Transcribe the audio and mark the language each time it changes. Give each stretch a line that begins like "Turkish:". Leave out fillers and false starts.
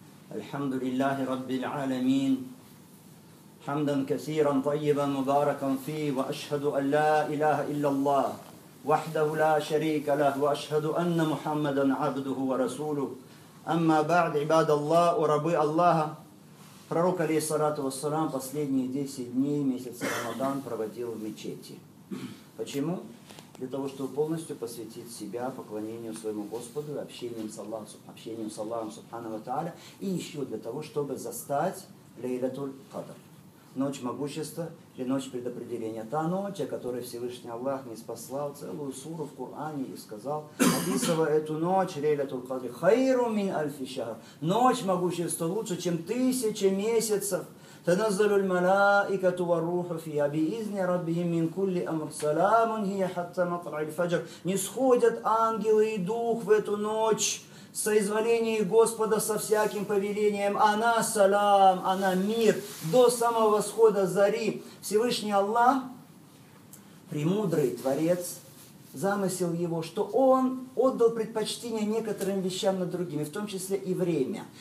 Arabic: الحمد لله رب العالمين حمدا كثيرا طيبا مباركا فيه وأشهد أن لا إله إلا الله وحده لا شريك له وأشهد أن محمدا عبده ورسوله أما بعد عباد الله وربي الله
Russian: пророк
Arabic: عليه الصلاة والسلام
Russian: последние 10 дней месяца Рамадан проводил в мечети. Почему? Для того, чтобы полностью посвятить себя поклонению своему Господу, общением с Аллахом Субхану ва Тааля, и еще для того, чтобы застать Лейлатуль Кадр, ночь могущества или ночь предопределения. Та ночь, о которой Всевышний Аллах ниспослал целую суру в Коране и сказал, описывая эту ночь, Лейлатуль Кадр,
Arabic: хайру мин альфи шахр,
Russian: ночь могущества лучше, чем тысячи месяцев.
Arabic: تنزل الملائكة والروح فيها بإذن ربهم من كل أمر سلام هي حتى مطلع الفجر.
Russian: Нисходят ангелы и дух в эту ночь соизволение Господа со всяким повелением. Она салам, она мир до самого восхода зари. Всевышний Аллах, премудрый Творец, замысел его, что он отдал предпочтение некоторым вещам над другими, в том числе и время.